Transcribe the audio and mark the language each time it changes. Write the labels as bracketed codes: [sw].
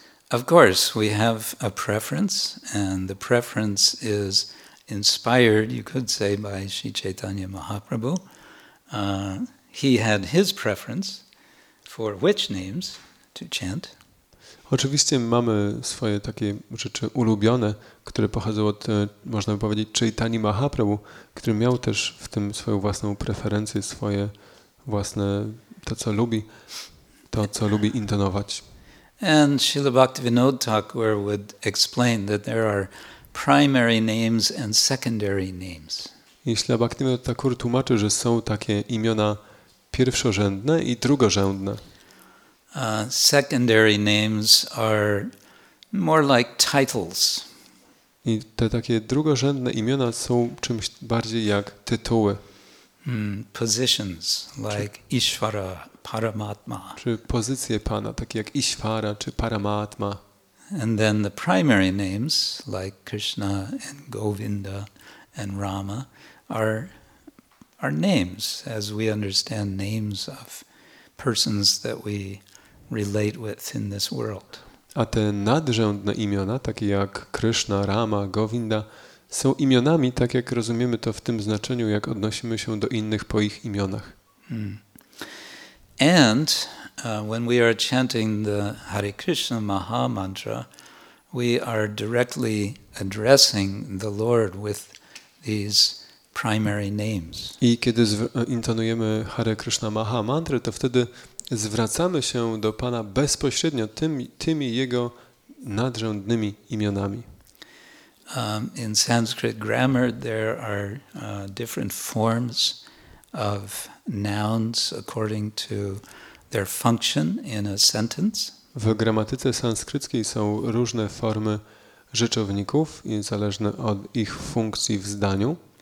[en] Of course we have a preference and the preference is inspired, you could say, by Sri Chaitanya Mahaprabhu. He had his preference for which names to chant. [pl] Oczywiście mamy swoje takie rzeczy ulubione, które pochodzą od, można by powiedzieć, Chaitanya Mahaprabhu, który miał też w tym swoją własną preferencję, swoje własne, to, co lubi intonować. [en] And Srila Bhaktivinoda Thakur would explain that there are primary names and secondary names. [pl] Śla Bhaktivinoda Thakur tłumaczy, że są takie imiona pierwszorzędne i drugorzędne. [en] Secondary names are more like titles. [pl] I te takie drugorzędne imiona są czymś bardziej jak tytuły. [en] positions like Ishvara, Paramatma. [pl] Czy pozycje Pana, takie jak Ishvara czy Paramatma. [en] And then the primary names like Krishna and Govinda and Rama are names, as we understand names of persons that we relate with in this world. [pl] A te nadrzędne imiona, takie jak Krishna, Rama, Govinda, są imionami, tak jak rozumiemy to w tym znaczeniu, jak odnosimy się do innych po ich imionach. Hmm. [en] And when we are chanting the Hare Krishna Maha Mantra, we are directly addressing the Lord with these primary names. [pl] I kiedy intonujemy Hare Krishna Maha Mantra, to wtedy zwracamy się do Pana bezpośrednio tymi jego nadrzędnymi imionami. [en] In Sanskrit grammar there are different forms of nouns according to their function in a sentence. [pl] W gramatyce sanskryckiej są różne formy rzeczowników i zależne od ich funkcji w zdaniu.